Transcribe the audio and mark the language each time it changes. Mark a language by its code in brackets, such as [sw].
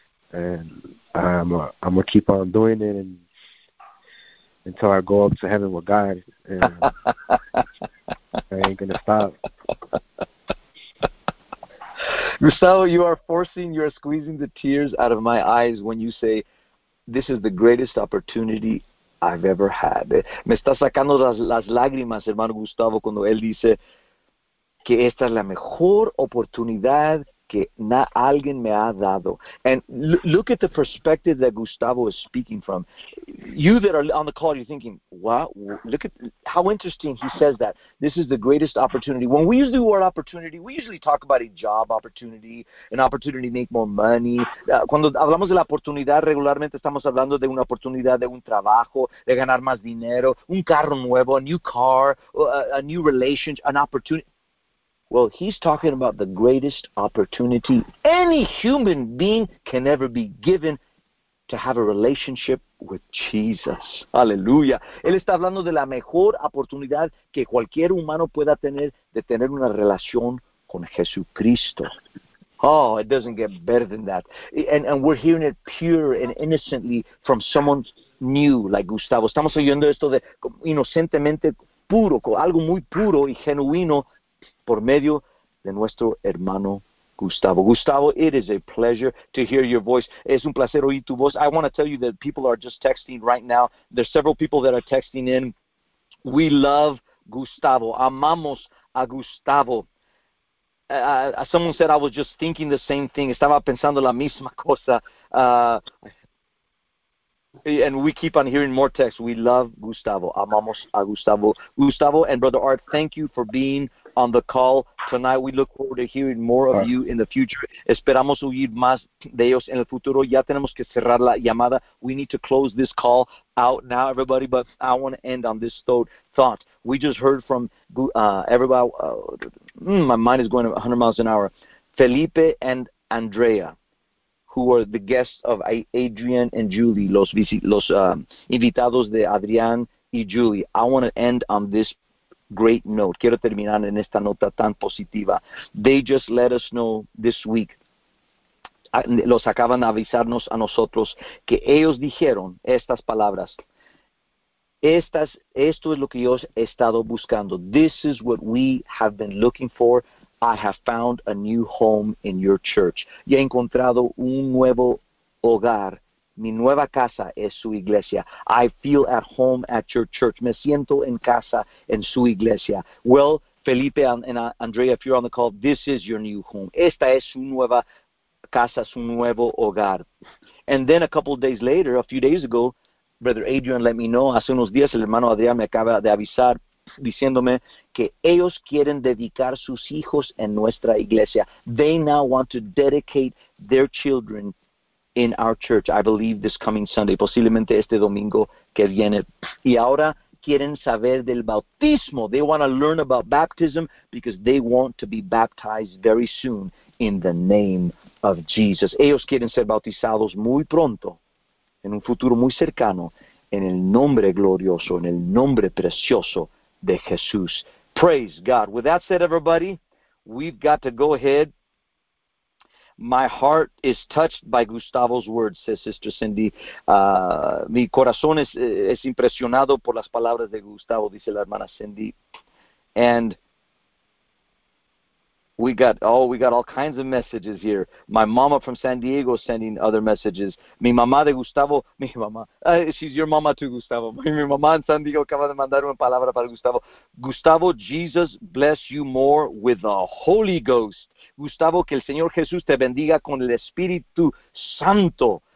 [en] And I'm gonna keep on doing it, and until I go up to heaven with God, and I ain't gonna stop. Gustavo, you are forcing, you are squeezing the tears out of my eyes when you say, this is the greatest opportunity I've ever had. [es] Me está sacando las lágrimas, hermano Gustavo, cuando él dice que esta es la mejor oportunidad que alguien me ha dado. [en] And look at the perspective that Gustavo is speaking from. You that are on the call, you're thinking, wow, look at how interesting he says that. This is the greatest opportunity. When we use the word opportunity, we usually talk about a job opportunity, an opportunity to make more money. [es] Cuando hablamos de la oportunidad, regularmente estamos hablando de una oportunidad de un trabajo, de ganar más dinero, un carro nuevo, [en] a new car, a new relationship, an opportunity. Well, he's talking about the greatest opportunity any human being can ever be given to have a relationship with Jesus. [es] Aleluya. Él está hablando de la mejor oportunidad que cualquier humano pueda tener de tener una relación con Jesucristo. [en] Oh, it doesn't get better than that. And we're hearing it pure and innocently from someone new like Gustavo. [es] Estamos oyendo esto de inocentemente puro, algo muy puro y genuino, por medio de nuestro hermano Gustavo. [en] Gustavo, it is a pleasure to hear your voice. [es] Es un placer oír tu voz. [en] I want to tell you that people are just texting right now. There's several people that are texting in. We love Gustavo. [es] Amamos a Gustavo. [en] Someone said I was just thinking the same thing. [es] Estaba pensando la misma cosa. [en] And we keep on hearing more texts. We love Gustavo. [es] Amamos a Gustavo. [en] Gustavo and Brother Art, thank you for being on the call tonight. We look forward to hearing more of you in the future. [es] Esperamos oír más de ellos en el futuro. Ya tenemos que cerrar la llamada. [en] We need to close this call out now, everybody, but I want to end on this thought. We just heard from everybody. My mind is going 100 miles an hour. Felipe and Andrea, who are the guests of Adrian and Julie, [es] invitados de Adrián y Julie. [en] I want to end on this great note. [es] Quiero terminar en esta nota tan positiva. [en] They just let us know this week. [es] Los acaban de avisarnos a nosotros que ellos dijeron estas palabras. Esto es lo que yo he estado buscando. [en] This is what we have been looking for. I have found a new home in your church. [es] Y he encontrado un nuevo hogar. Mi nueva casa es su iglesia. [en] I feel at home at your church. [es] Me siento en casa en su iglesia. [en] Well, Felipe and Andrea, if you're on the call, this is your new home. [es] Esta es su nueva casa, su nuevo hogar. [en] And then a couple of days later, a few days ago, Brother Adrian let me know, [es] hace unos días el hermano Adrián me acaba de avisar diciéndome que ellos quieren dedicar sus hijos en nuestra iglesia. [en] They now want to dedicate their children in our church, I believe this coming Sunday, posiblemente este domingo que viene. [es] Y ahora quieren saber del bautismo. [en] They want to learn about baptism because they want to be baptized very soon in the name of Jesus. [es] Ellos quieren ser bautizados muy pronto, en un futuro muy cercano, en el nombre glorioso, en el nombre precioso de Jesús. [en] Praise God. With that said, everybody, we've got to go ahead. My heart is touched by Gustavo's words, says Sister Cindy. [es] Mi corazón es impresionado por las palabras de Gustavo, dice la hermana Cindy. [en] And we got all kinds of messages here. My mama from San Diego sending other messages. [es] Mi mamá de Gustavo, mi mamá, [en] she's your mama too, Gustavo. [es] Mi mamá en San Diego acaba de mandar una palabra para Gustavo. [en] Gustavo, Jesus bless you more with the Holy Ghost. [es] Gustavo, que el Señor Jesús te bendiga con el Espíritu Santo.